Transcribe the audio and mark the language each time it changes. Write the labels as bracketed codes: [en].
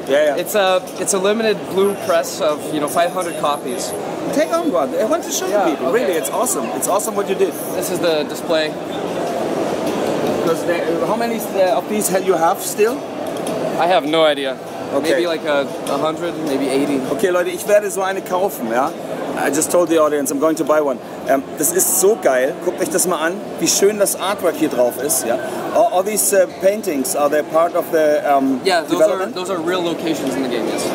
[en] Yeah, yeah. It's a limited blue press of, you know, 500 copies. Take on one. I want to show yeah, the people. Okay. Really, it's awesome. It's awesome what you did. This is the display. Because how many of these have you have still? I have no idea. Okay. Maybe like 100, maybe 80. [de] Okay, Leute, ich werde so eine kaufen, ja? [en] I just told the audience, I'm going to buy one. [de] Das ist so geil. Guckt euch das mal an, wie schön das Artwork hier drauf ist, ja? [en] All these paintings, are they part of the yeah, those development? Yeah, those are real locations in the game, yes.